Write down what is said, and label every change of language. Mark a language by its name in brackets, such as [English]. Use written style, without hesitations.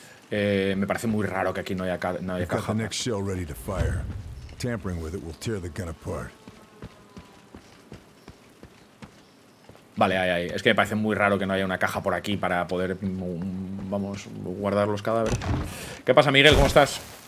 [Spanish] Me parece muy raro que aquí no haya caja. [English] Next shell ready to fire. Tampering with it will tear the gun apart. [Spanish] Vale, ahí. Es que me parece muy raro que no haya una caja por aquí para poder, vamos, guardar los cadáveres. ¿Qué pasa, Miguel? ¿Cómo estás?